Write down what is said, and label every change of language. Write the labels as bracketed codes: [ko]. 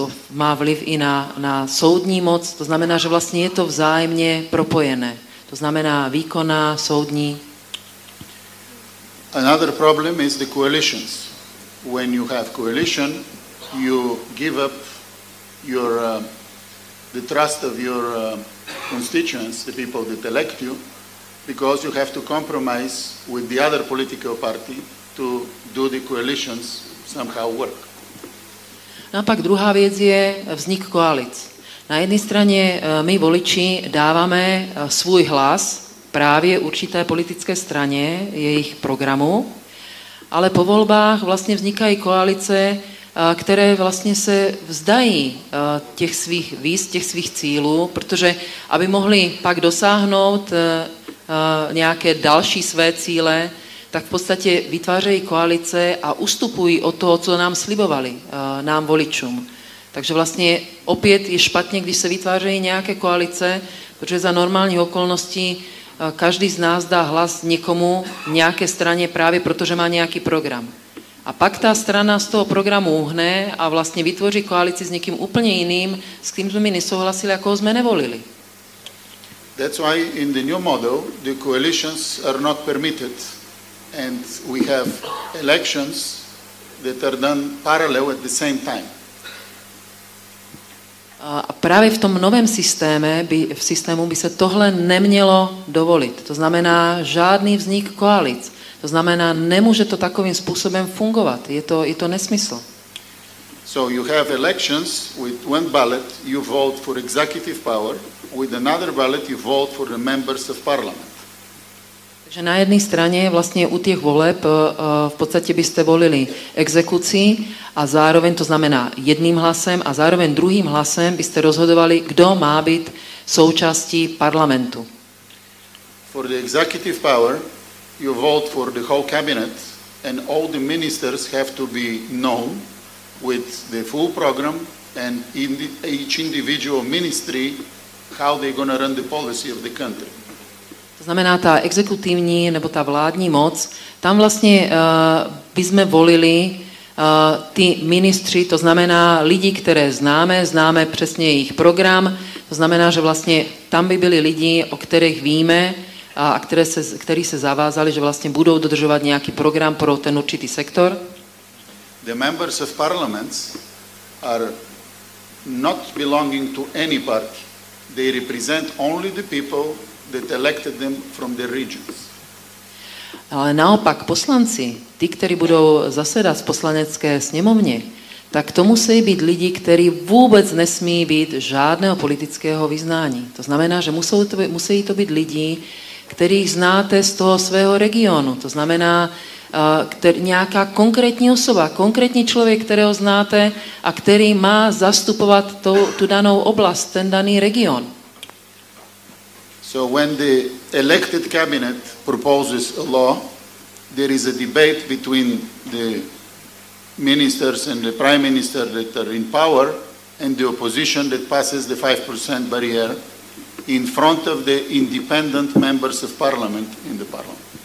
[cs] má vliv i na soudní moc, to znamená, že vlastně je to vzájemně propojené, to znamená výkonná, soudní. [en] Another problem is the coalitions. When you have coalition, you give up your the trust of your constituents, the people that elect you, because you have to compromise with the other political party to do the coalitions somehow work. [cs] No a pak druhá věc je vznik koalic. Na jedné straně my voliči dáváme svůj hlas právě určité politické straně jejich programu, ale po volbách vlastně vznikají koalice, které vlastně se vzdají těch svých cílů, protože aby mohli pak dosáhnout nějaké další své cíle, tak v podstatě vytvářejí koalice a ustupují od toho, co nám slibovali, nám voličům. Takže vlastně opět je špatně, když se vytvářejí nějaké koalice, protože za normálních okolností každý z nás dá hlas někomu v nějaké straně právě proto, že má nějaký program. A pak ta strana z toho programu uhne a vlastně vytvoří koalici s někým úplně jiným, s kým jsme my nesouhlasili, jakoho jsme nevolili. [en] That's why in the new model the coalitions are not permitted and we have elections that are done parallel at the same time. [cs] A právě v tom novém systému by se tohle nemělo dovolit. To znamená žádný vznik koalic. To znamená, nemůže to takovým způsobem fungovat. Je to nesmysl. [en] So you have elections with one ballot, you vote for executive power, with another ballot you vote for the members of parliament. [cs] Takže na jedné straně vlastně u těch voleb v podstatě byste volili exekuci a zároveň, to znamená jedným hlasem a zároveň druhým hlasem byste rozhodovali, kdo má být součástí parlamentu. [en] For the executive power, you vote for the whole cabinet and all the ministers have to be known with the full program and in each individual ministry how they're going to run the policy of the country. [cs] To znamená ta exekutivní nebo ta vládní moc, tam vlastně bychom volili ty ministři, to znamená lidi, které známe přesně jejich program, to znamená, že vlastně tam by byli lidi, o kterých víme, a kteří se zavázali, že vlastně budou dodržovat nějaký program pro ten určitý sektor. [en] The members of parliaments are not belonging to any party. They represent only the people that elected them from their regions. [cs] Ale naopak poslanci, ti, kteří budou zasedat v poslanecké sněmovně, tak to musí být lidi, kteří vůbec nesmí být žádného politického vyznání. To znamená, že musí to být lidi, kterých znáte z toho svého regionu. To znamená nějaká konkrétní osoba, konkrétní člověk, kterého znáte a který má zastupovat tu danou oblast, ten daný region. [en] So when the elected cabinet proposes a law, there is a debate between the ministers and the prime minister that are in power and the opposition that passes the 5% barrier in front of the independent members of parliament in the parliament.